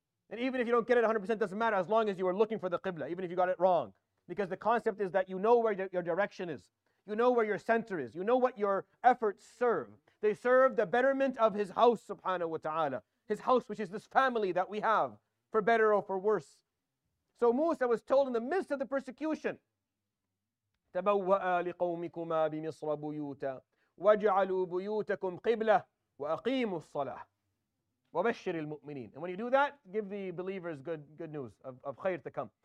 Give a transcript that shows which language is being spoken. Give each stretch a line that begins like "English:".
English: And even if you don't get it 100%, doesn't matter, as long as you are looking for the qibla, even if you got it wrong. Because the concept is that you know where your direction is. You know where your center is. You know what your efforts serve. They serve the betterment of his house, subhanahu wa ta'ala. His house, which is this family that we have, for better or for worse. So Musa was told in the midst of the persecution,
Arabic: تَبَوَّأَ لِقَوْمِكُمَا بِمِصْرَ بُيُوتًا وَاجْعَلُوا بُيُوتَكُمْ قِبْلَةً وَأَقِيمُوا الصَّلَاةَ وَبَشِّرِ الْمُؤْمِنِينَ.
English: And when you do that, give the believers good news of khair to come.